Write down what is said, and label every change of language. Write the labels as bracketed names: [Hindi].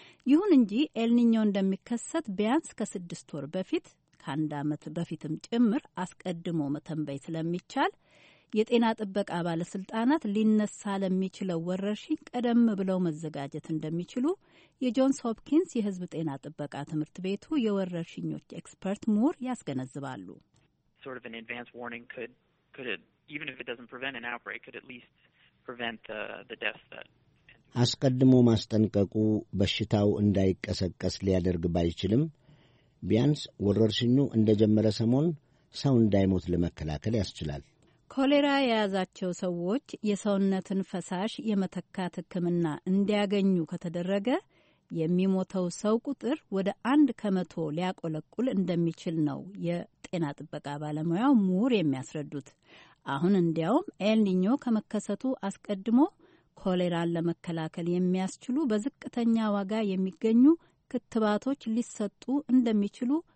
[Amharic] ይሁን እንጂ ኤልኒኞ እንደሚከሰት ቢያንስ ከ6 ወር በፊት ከአንድ ዓመት በፊትም ጭምር አስቀድሞ መተንበይ ስለሚቻል የጤና ጥበቃ ባለስልጣናት ሊነሳ ለሚችለው ወረርሽኝ ቀደም ብለው መዘጋጀት እንደሚችሉ የጆንስ ሆፕኪንስ የሕዝብ ጤና ጥበቃ ትምህርት ቤቱ የወረርሽኞች ኤክስፐርት ሙር ያስገነዝባሉ። [English] Sort of an advance warning could even if it doesn't prevent an outbreak could at least prevent the deaths that [Amharic] አስቀድሞ ማስጠንቀቁ በሽታው እንዳይቀሰቀስ ሊያደርግ ባይችልም ቢያንስ ወረርሽኙ እንደጀመረ ሰሞን ሰው እንዳይሞት ለመከላከል ያስችላል። ኮሌራ የያዛቸው ሰዎች የሰውነትን ፈሳሽ የመተካት ህክምና እንዲያገኙ ከተደረገ የሚሞተው ሰው ቁጥር ወደ 100% ሊያቆለቁል እንደሚችል ነው የጤና ጥበቃ ባለሙያው ሙር የሚያስረዱት። አሁን እንዲያውም ኤልኒኞ ከመከሰቱ አስቀድሞ ኮሌራን ለመከላከል የሚያስችሉ በዝቅተኛ ዋጋ የሚገኙ ክትባቶች ሊሰጡ እንደሚችሉ